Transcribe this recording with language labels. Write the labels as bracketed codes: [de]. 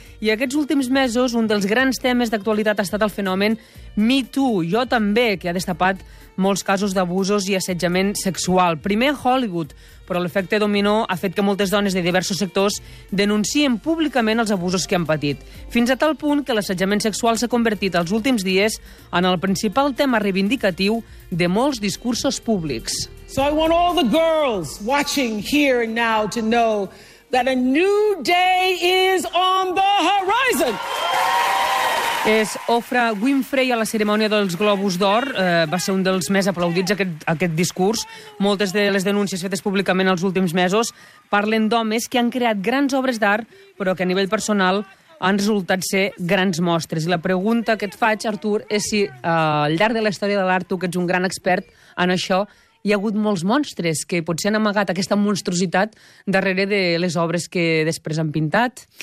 [ca] I aquests últims mesos, un dels grans temes d'actualitat ha estat el fenomen Me Too, jo també, que ha destapat molts casos d'abusos i assetjament sexual. Primer a Hollywood, però l'efecte dominó ha fet que moltes dones de diversos sectors denuncien públicament els abusos que han patit. Fins a tal punt que l'assetjament sexual s'ha convertit els últims dies en el principal tema reivindicatiu de molts discursos públics. [en] So I want all the girls watching here and now to know that a new day is on the horizon. [ca] És Oprah Winfrey a la cerimònia dels Globus d'Or. Va ser un dels més aplaudits aquest discurs. Moltes de les denúncies fetes públicament els últims mesos parlen d'homes que han creat grans obres d'art, però que a nivell personal han resultat ser grans mostres. I la pregunta que et faig, Artur, és si al llarg de la història de l'art, tu que ets un gran expert en això, hi ha hagut molts monstres que potser han amagat aquesta monstruositat darrere de les obres que després han pintat.